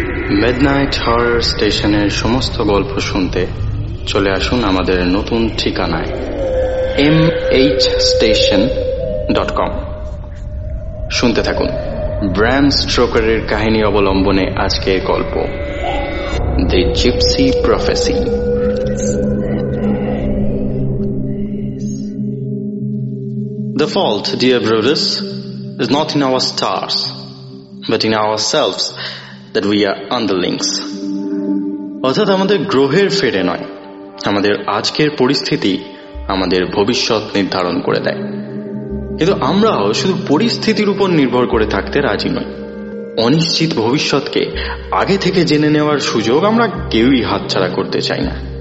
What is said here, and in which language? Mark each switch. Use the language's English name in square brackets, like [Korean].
[Bangla] Midnight horror স্টেশনের সমস্ত গল্প শুনতে চলে আসুন আমাদের নতুন ঠিকানায় mhstation.com। শুনতে থাকুন ব্র্যাম স্টোকারের কাহিনী অবলম্বনে আজকের গল্প the gypsy প্রফেসি। [English] The fault, dear Brutus, is not in our stars, but in ourselves that we are underlings. [Bangla] অর্থাৎ আমাদের গ্রহের ফেরে নয়, আমাদের আজকের পরিস্থিতি আমাদের ভবিষ্যৎ নির্ধারণ করে দেয়। কিন্তু আমরাও শুধু পরিস্থিতির উপর নির্ভর করে থাকতে রাজি নই। অনিশ্চিত ভবিষ্যৎকে আগে থেকে জেনে নেওয়ার সুযোগ আমরা কেউই হাতছাড়া করতে চাই না।